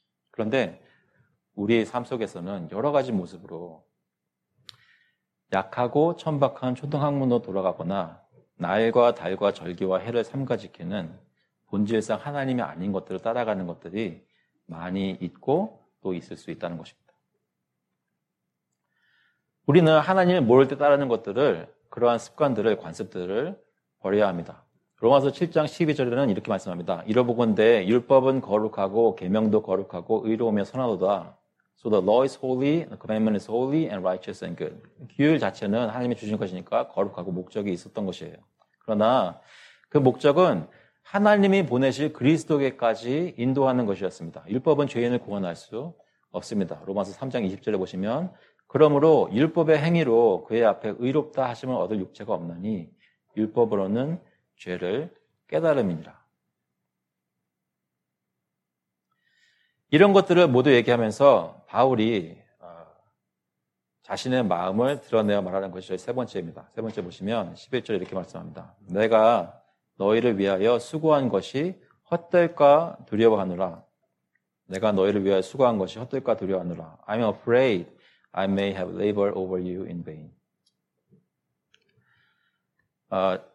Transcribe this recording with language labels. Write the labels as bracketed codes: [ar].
[ko] 그런데 우리의 삶 속에서는 여러 가지 모습으로 약하고 천박한 초등학문으로 돌아가거나 날과 달과 절기와 해를 삼가지키는 본질상 하나님이 아닌 것들을 따라가는 것들이 많이 있고 또 있을 수 있다는 것입니다. 우리는 하나님을 모를 때 따르는 것들을 그러한 습관들을 관습들을 버려야 합니다. 로마서 7장 12절에는 이렇게 말씀합니다. 이러보건대 율법은 거룩하고 계명도 거룩하고 의로우며 선하도다. [en] So the law is holy, the commandment is holy, and righteous and good. [ko] 규율 자체는 하나님이 주신 것이니까 거룩하고 목적이 있었던 것이에요. 그러나 그 목적은 하나님이 보내실 그리스도에게까지 인도하는 것이었습니다. 율법은 죄인을 구원할 수 없습니다. 로마서 3장 20절에 보시면 그러므로 율법의 행위로 그의 앞에 의롭다 하심을 얻을 육체가 없나니 율법으로는 죄를 깨달음이니라. 이런 것들을 모두 얘기하면서 바울이 자신의 마음을 드러내어 말하는 것이 세 번째입니다. 세 번째 보시면 11절에 이렇게 말씀합니다. 내가 너희를 위하여 수고한 것이 헛될까 두려워하느라. 내가 너희를 위하여 수고한 것이 헛될까 두려워하느라. [en] I'm afraid I may have labored over you in vain.